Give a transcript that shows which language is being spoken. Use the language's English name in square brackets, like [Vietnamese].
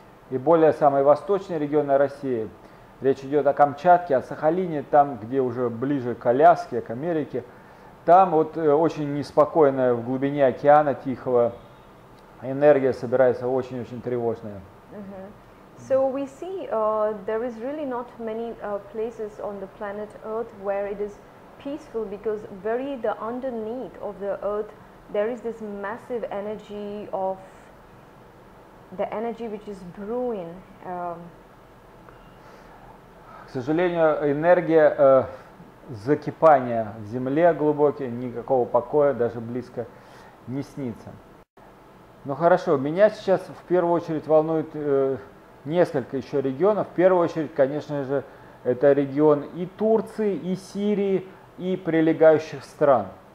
[Russian] И более самые восточные регионы России, речь идет о Камчатке, о Сахалине, там, где уже ближе к Аляске, к Америке, там вот очень неспокойная в глубине океана Тихого энергия собирается очень-очень тревожная. [English] So we see there is really not many places on the planet Earth where it is peaceful, because very the underneath of the Earth there is this massive energy of the energy which is brewing. [Russian] К сожалению, энергия закипания в земле глубокие, никакого покоя даже близко не снится. Ну хорошо, меня сейчас в первую очередь волнует несколько еще регионов. В первую очередь, конечно же, это регион и Турции, и Сирии, и прилегающих стран.